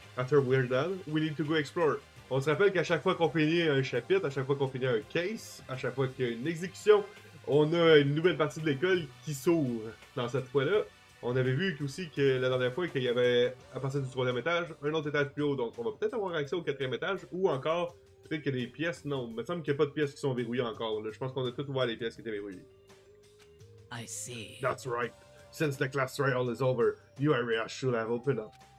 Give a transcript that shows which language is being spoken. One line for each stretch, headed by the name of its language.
English: After we're done, we need to go explore.
French: On se rappelle qu'à chaque fois qu'on finit un chapitre, à chaque fois qu'on finit un case, à chaque fois qu'il y a une exécution, on a une nouvelle partie de l'école qui s'ouvre. Dans cette fois-là, on avait vu aussi que la dernière fois qu'il y avait, à partir du troisième étage, un autre étage plus haut. Donc on va peut-être avoir accès au quatrième étage, ou encore, peut-être que les pièces, non. Il me semble qu'il n'y a pas de pièces qui sont verrouillées encore. Là. Je pense qu'on a tout ouvert les pièces qui étaient verrouillées.
English: I see. That's right. Since the class trial is over, new area should have opened up.